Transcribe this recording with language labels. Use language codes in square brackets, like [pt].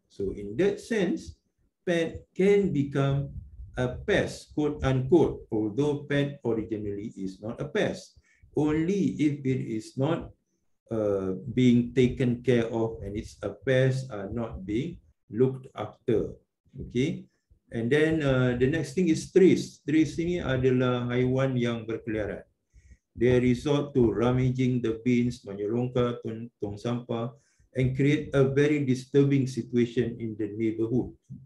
[en] So in that sense, pet can become a pest, quote unquote, although pet originally is not a pest, only if it is not being taken care of and it's a pest are not being looked after. Okay, and then the next thing is trees. [ms] Trees ini adalah haiwan yang berkeliaran. [en] They resort to rummaging the bins, [ms] menyelongkar tong sampah, [en] and create a very disturbing situation in the neighborhood.